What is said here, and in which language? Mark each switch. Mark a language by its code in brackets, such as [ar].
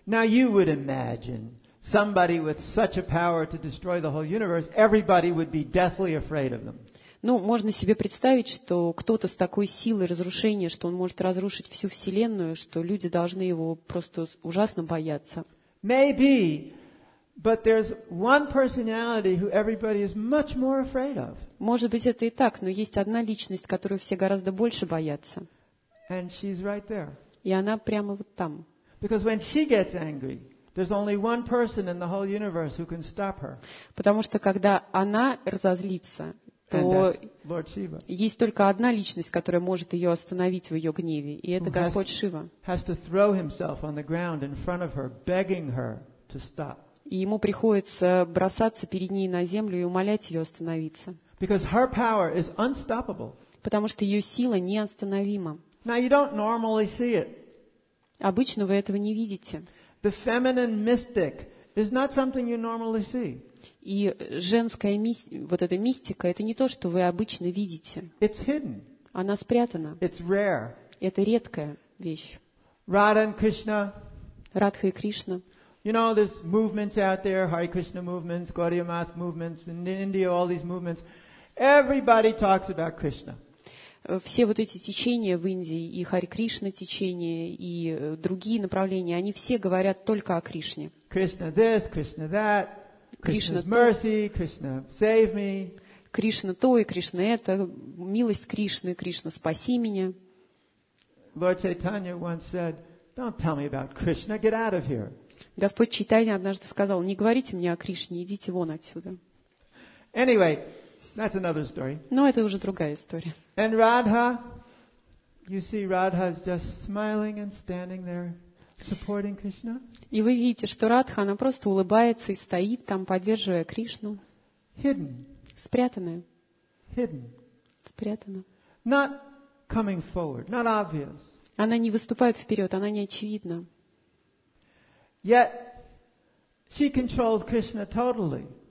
[en] Now you would imagine somebody with such a power to destroy the whole universe, everybody would be deathly afraid of them. [ru] Ну, можно себе представить, что кто-то с такой силой разрушения, что он может разрушить всю Вселенную, что люди должны его просто ужасно бояться. [en] Maybe, but there's one personality who everybody is much more afraid of. [ru] Может быть, это и так, но есть одна личность, которую все гораздо больше боятся. [en] And she's right there. [ru] И она прямо вот там. [en] Because when she gets angry, there's only one person in the whole universe who can stop her. [ru] Потому что когда она разозлится, то есть только одна личность, которая может ее остановить в ее гневе, и это Господь Шива. [en] Has to throw himself on the ground in front of her, begging her to stop. [ru] И ему приходится бросаться перед ней на землю и умолять ее остановиться. [en] Because her power is unstoppable. [ru] Потому что ее сила неостановима. [en] Now you don't normally see it. [ru] Обычно вы этого не видите. [en] The feminine mystic is not something you normally see. [ru] И женская вот эта мистика, это не то, что вы обычно видите. [en] It's hidden. [ru] Она спрятана. [en] It's rare. [ru] Это редкая вещь. [en] Radha and Krishna. [ru] Радха и Кришна. [en] You know, there's movements out there, Hare Krishna movements, Gaudiya Math movements, in India all these movements. Everybody talks about Krishna. [ru] Все вот эти течения в Индии, и Харе Кришна течения, и другие направления, они все говорят только о Кришне. [en] Krishna this, Krishna that, Krishna's mercy, Krishna save me. [ru] Кришна то и Кришна это, милость Кришны, Кришна спаси меня. [en] Lord Chaitanya once said, "Don't tell me about Krishna, get out of here." [ru] Господь Чайтанья однажды сказал: "Не говорите мне о Кришне, идите вон отсюда." [en] Anyway, that's another story. [ru] Но это уже другая история. [en] And Radha, you see, Radha is just smiling and standing there, supporting Krishna. [ru] И вы видите, что Радха, она просто улыбается и стоит там, поддерживая Кришну. [en] Hidden. [ru] Спрятанная. [en] Hidden. [ru] Спрятана. [en] Not coming forward, not obvious. [ru] Она не выступает вперед, она не очевидна. [en] Yet she controls Krishna totally.